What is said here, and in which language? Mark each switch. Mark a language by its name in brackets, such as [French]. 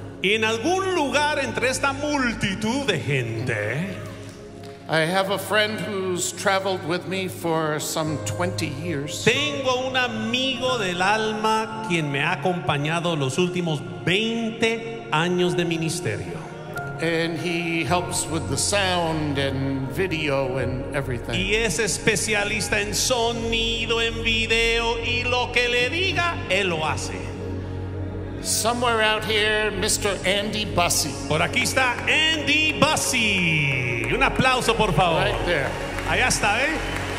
[Spanish] en algún lugar entre esta multitud de gente, [English] I have a friend who's traveled with me for some 20 years. [Spanish] Tengo un amigo del alma quien me ha acompañado los últimos 20 años de ministerio. [English] And he helps with the sound and video and everything. [Spanish] Y es especialista en sonido, en video, y lo que le diga, él lo hace. [English] Somewhere out here, Mr. Andy Bussey. [Spanish] Por aquí está Andy Bussey. Un aplauso, por favor. [English] Right there. [Spanish] Allá está, ¿eh?